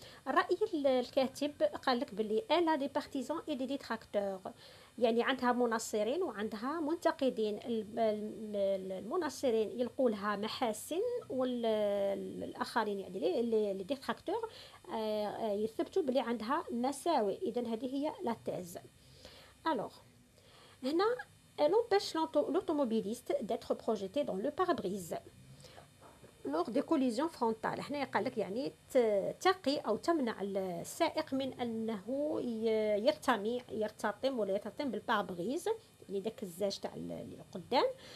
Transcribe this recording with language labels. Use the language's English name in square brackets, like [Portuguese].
[Arabic] راي الكاتب قال لك بلي [French] الا دي بارتيزون اي دي ديتراكتور، [Arabic] يعني عندها مناصرين وعندها منتقدين. المناصرين يلقوا لها محاسن، والاخرين يعني [French] لي ديتراكتور [Arabic] يثبتوا بلي عندها مساوئ. اذا هذه هي [French] لا تيز. [Arabic] الوغ هنا [French] elle empêche l'automobiliste d'être projeté dans le pare-brise lors des collisions frontales. [Arabic] هنا يقال لك يعني تقي او تمنع السائق من انه يرتطم ولا يرتطم بالبارابريز، يعني داك الزاج تاع اللي قدام.